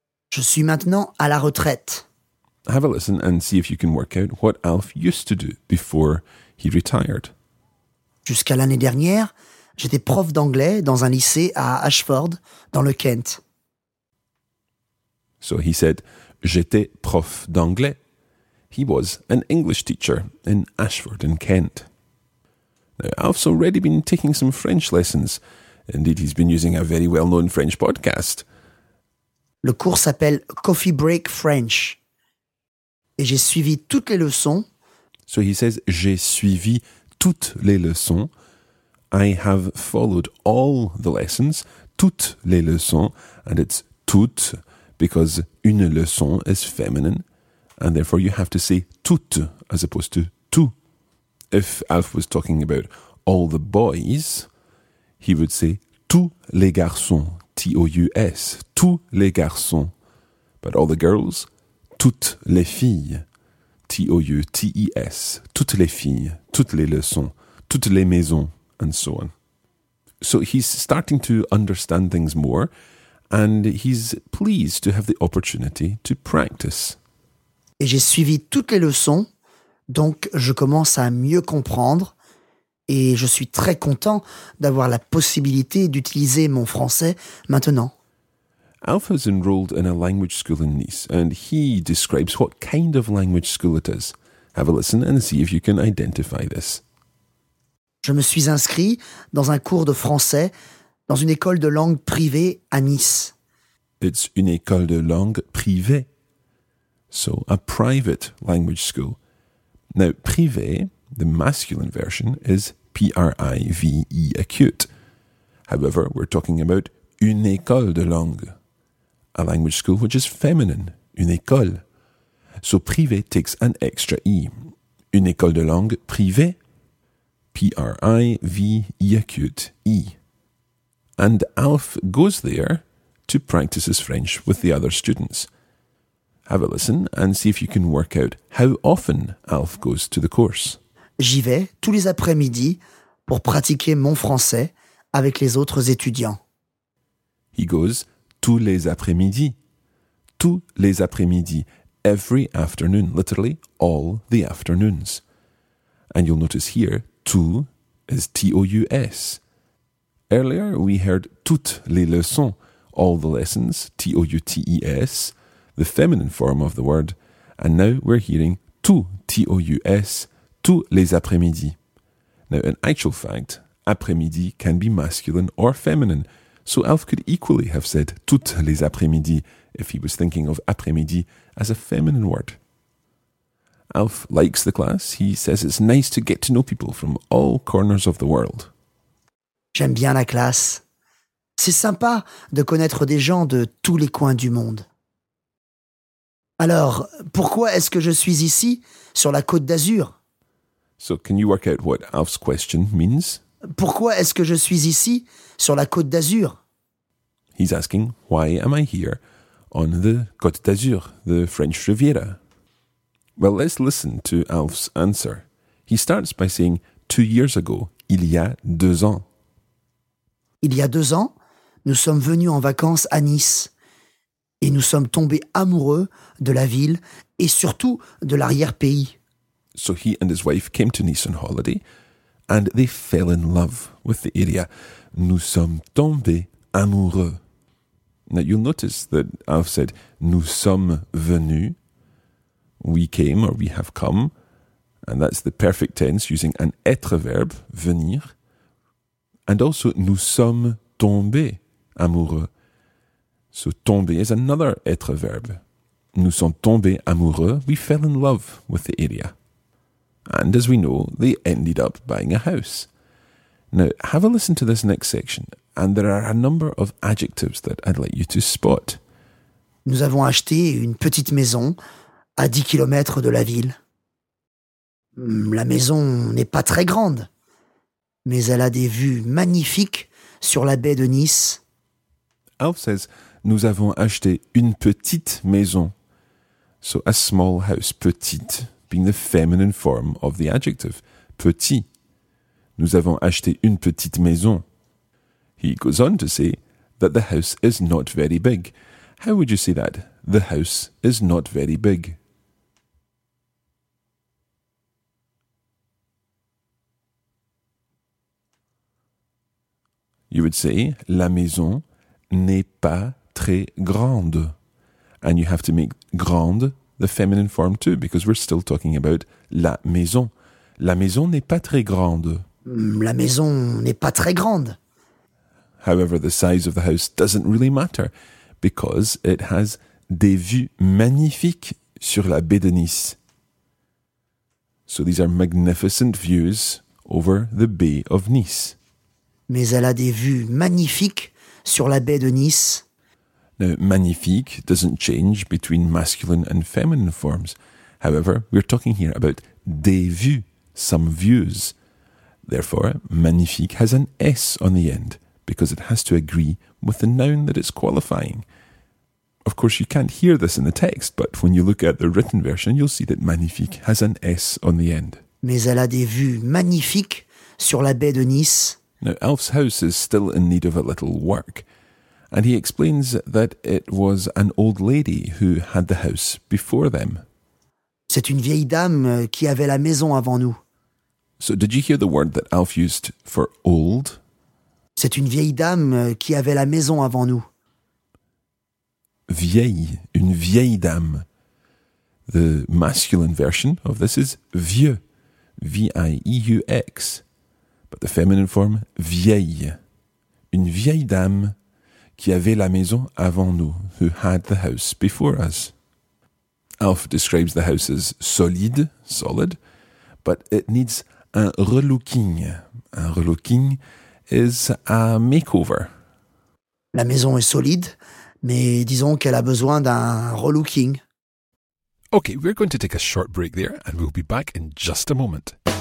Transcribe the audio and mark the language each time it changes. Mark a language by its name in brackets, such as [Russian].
[French] Je suis maintenant à la retraite. [English] Have a listen and see if you can work out what Alf used to do before he retired. [French] Jusqu'à l'année dernière, j'étais prof d'anglais dans un lycée à Ashford, dans le Kent. [English] So he said, [French] j'étais prof d'anglais. [English] He was an English teacher in Ashford in Kent. Now, Alf's already been taking some French lessons. Indeed, he's been using a very well-known French podcast. [French] Le cours s'appelle Coffee Break French. Et j'ai suivi toutes les leçons. So he says, j'ai suivi toutes les leçons. [English] I have followed all the lessons, [French] toutes les leçons. [English] And it's toutes, because [French] une leçon [English] is feminine. And therefore you have to say toutes as opposed to tout. If Alf was talking about all the boys, he would say [French] tous les garçons, [English] T-O-U-S, tous les garçons. But all the girls, [French] toutes les filles, [English] T-O-U-T-E-S, toutes les filles, [French] toutes les leçons, toutes les maisons, [English] and so on. So he's starting to understand things more, and he's pleased to have the opportunity to practice. [French] Et j'ai suivi toutes les leçons, donc je commence à mieux comprendre et je suis très content d'avoir la possibilité d'utiliser mon français maintenant. [English] Alf has enrolled in a language school in Nice and he describes what kind of language school it is. Have a listen and see if you can identify this. [French] Je me suis inscrit dans un cours de français dans une école de langue privée à Nice. It's une école de langue privée. [English] So, a private language school. Now, privé, the masculine version, is P-R-I-V-E, acute. However, we're talking about [French] une école de langue, [English] a language school which is feminine, [French] une école. [English] So, privé takes an extra E. [French] Une école de langue privée, [English] P-R-I-V-E, acute, E. And Alf goes there to practice his French with the other students. Have a listen and see if you can work out how often Alf goes to the course. [French] J'y vais tous les après-midi pour pratiquer mon français avec les autres étudiants. [English] He goes [French] tous les après-midi. Tous les après-midi. [English] Every afternoon. Literally, all the afternoons. And you'll notice here, tout is T-O-U-S. Earlier, we heard [French] toutes les leçons. [English] All the lessons, T-O-U-T-E-S. The feminine form of the word, and now we're hearing tout, T-O-U-S, [French] tous les après-midi. [English] Now, in actual fact, après-midi can be masculine or feminine, so Alf could equally have said [French] toutes les après-midi [English] if he was thinking of après-midi as a feminine word. Alf likes the class. He says it's nice to get to know people from all corners of the world. [French] J'aime bien la classe. C'est sympa de connaître des gens de tous les coins du monde. Alors, pourquoi est-ce que je suis ici, sur la Côte d'Azur? [English] So, can you work out what Alf's question means? [French] Pourquoi est-ce que je suis ici, sur la Côte d'Azur? [English] He's asking, why am I here on the Côte d'Azur, the French Riviera? Well, let's listen to Alf's answer. He starts by saying, 2 years ago, [French] il y a 2 ans. Il y a 2 ans, nous sommes venus en vacances à Nice. Et nous sommes tombés amoureux de la ville et surtout de l'arrière-pays. [English] So he and his wife came to Nice on holiday and they fell in love with the area. [French] Nous sommes tombés amoureux. [English] Now, you'll notice that I've said, [French] nous sommes venus, [English] we came or we have come, and that's the perfect tense using an être verb, venir, and also, [French] nous sommes tombés, amoureux. [English] So, tomber is another être verb. [French] Nous sommes tombés amoureux, [English] we fell in love with the area. And as we know, they ended up buying a house. Now, have a listen to this next section, and there are a number of adjectives that I'd like you to spot. [French] Nous avons acheté une petite maison à 10 kilomètres de la ville. La maison n'est pas très grande, mais elle a des vues magnifiques sur la baie de Nice. [English] Alf says, [French] nous avons acheté une petite maison. [English] So a small house, petite, being the feminine form of the adjective, petit. [French] Nous avons acheté une petite maison. [English] He goes on to say that the house is not very big. How would you say that? The house is not very big. You would say, [French] la maison n'est pas très grande. [English] And you have to make grande the feminine form too, because we're still talking about la maison. [French] La maison n'est pas très grande. La maison n'est pas très grande. [English] However, the size of the house doesn't really matter, because it has [French] des vues magnifiques sur la baie de Nice. [English] So these are magnificent views over the Bay of Nice. [French] Mais elle a des vues magnifiques sur la baie de Nice. [English] Now, magnifique doesn't change between masculine and feminine forms. However, we're talking here about [French] des vues, [English] some views. Therefore, magnifique has an S on the end, because it has to agree with the noun that it's qualifying. Of course, you can't hear this in the text, but when you look at the written version, you'll see that magnifique has an S on the end. [French] Mais elle a des vues magnifiques sur la baie de Nice. [English] Now, Alf's house is still in need of a little work, and he explains that it was an old lady who had the house before them. [French] C'est une vieille dame qui avait la maison avant nous. [English] So did you hear the word that Alf used for old? [French] C'est une vieille dame qui avait la maison avant nous. Vieille, une vieille dame. [English] The masculine version of this is vieux, V-I-E-U-X. But the feminine form, vieille. [French] Une vieille dame qui avait la maison avant nous, [English] who had the house before us. Alf describes the house as solide, solid, but it needs un relooking. Un relooking is a makeover. [French] La maison est solide, mais disons qu'elle a besoin d'un relooking. [English] Okay, we're going to take a short break there and we'll be back in just a moment.